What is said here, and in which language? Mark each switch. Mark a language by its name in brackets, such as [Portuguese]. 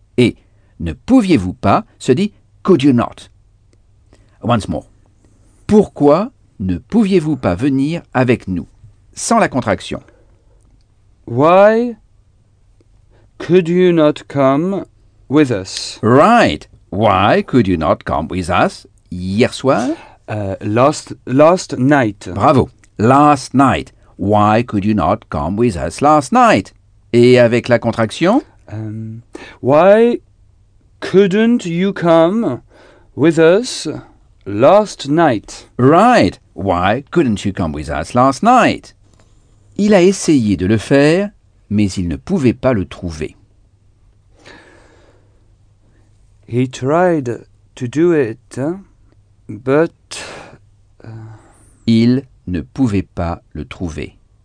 [French] Et ne pouviez-vous pas se dit [English] could you not? Once more. [French] Pourquoi ne pouviez-vous pas venir avec nous sans la contraction? [English] Why could you not come with us? Right. Why could you not come with us [French] hier soir? [English] Last night. Bravo. Last night. Why could you not come with us last night? [French] Et avec la contraction? [English] Why couldn't you come with us last night? Right. Why couldn't you come with us last night? [French] Il a essayé de le faire, mais il ne pouvait pas le trouver. [English] He tried to do it, but... [French] Il ne pouvait pas le trouver.